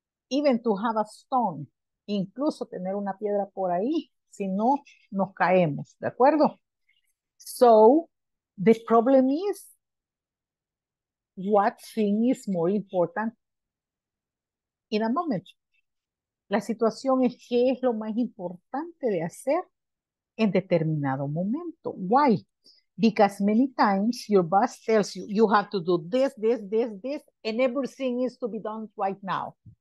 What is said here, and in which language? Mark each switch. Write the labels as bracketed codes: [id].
[en] Even to have a stone, [es] incluso tener una piedra por ahí, si no, nos caemos, ¿de acuerdo? [en] So, the problem is, what thing is more important in a moment? [es] La situación es qué es lo más importante de hacer en determinado momento. [en] Why? Because many times your boss tells you, you have to do this, this, this, this, and everything is to be done right now.